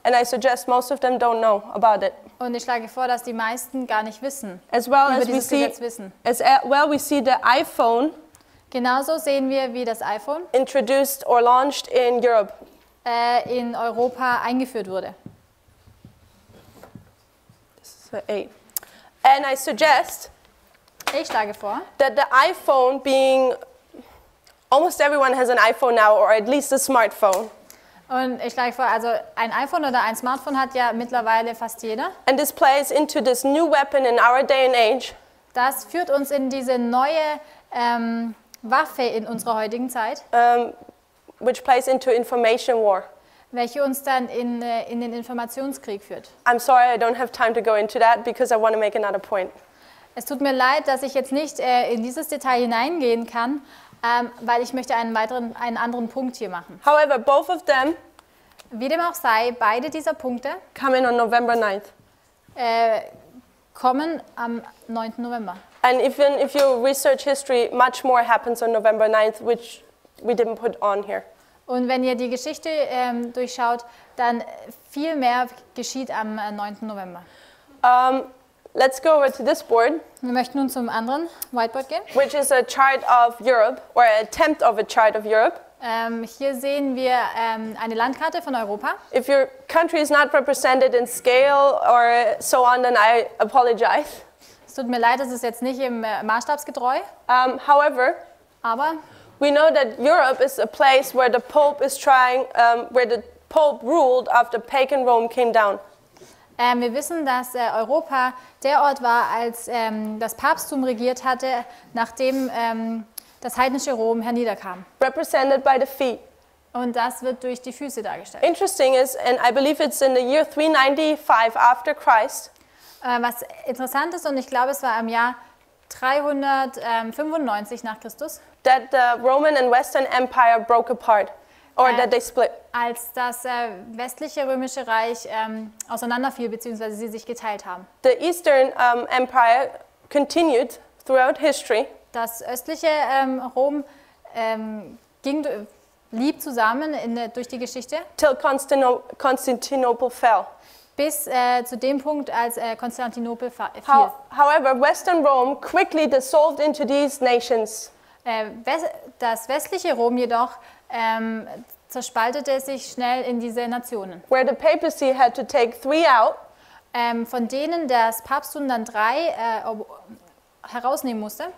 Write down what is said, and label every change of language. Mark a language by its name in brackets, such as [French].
[English] And I suggest most of them don't know about it. [German] Und ich schlage vor, dass die meisten gar nicht wissen, [English] as well [German] über [English] as [German] dieses [English] we see, [German] Gesetz wissen. [English] As well, we see the iPhone. [German] Genauso sehen wir, wie das iPhone [English] introduced or launched in Europe. [German] In Europa eingeführt wurde. [English] And I suggest, [German] ich schlage vor, [English] that the iPhone being, almost everyone has an iPhone now, or at least a smartphone. [German] Und ich schlage vor, also ein iPhone oder ein Smartphone hat ja mittlerweile fast jeder. [English] And this plays into this new weapon in our day and age. [German] Das führt uns in diese neue Waffe in unserer heutigen Zeit. [English] Which plays into information war. [German] Welche uns dann in den Informationskrieg führt. [English] I'm sorry, I don't have time to go into that because I want to make another point. [German] Es tut mir leid, dass ich jetzt nicht in dieses Detail hineingehen kann, weil ich möchte einen anderen Punkt hier machen. [English] However, both of them, [German] wie dem auch sei, beide dieser Punkte [English] come in on November 9th. [German] Kommen am 9. November. [English] And if you research history, much more happens on November 9th, which we didn't put on here. [German] Und wenn ihr die Geschichte durchschaut, dann viel mehr geschieht am 9. November. [English] Let's go over to this board. [German] Wir möchten nun zum anderen Whiteboard gehen. [English] Which is a chart of Europe, or an attempt of a chart of Europe. [German] Hier sehen wir eine Landkarte von Europa. [English] If your country is not represented in scale or so on, then I apologize. [German] Es tut mir leid, das ist jetzt nicht im maßstabsgetreu. [English] However, [German] aber [English] we know that Europe is a place where the Pope is trying, where the Pope ruled after pagan Rome came down. [German] Wir wissen, dass Europa der Ort war, als das Papsttum regiert hatte, nachdem das heidnische Rom herniederkam. [English] Represented by the feet. [German] Und das wird durch die Füße dargestellt. [English] Interesting is, and I believe it's in the year 395 after Christ. [German] Was interessant ist, und ich glaube, es war im Jahr 395 nach Christus, [English] that the Roman and Western Empire broke apart, or that they split. [German] Als das westliche römische Reich auseinanderfiel, beziehungsweise sie sich geteilt haben. [English] The Eastern Empire continued throughout history. [German] Das östliche Rom ging lieb zusammen in der, durch die Geschichte. [English] Till Constantinople fell. [German] Bis zu dem Punkt, als Konstantinopel fiel. [English] However, Western Rome quickly dissolved into these nations. [German] Das westliche Rom jedoch zerspaltete sich schnell in diese Nationen. [English] Where the papacy had to take three out. [German] Von denen das Papsttum dann drei herausnehmen musste.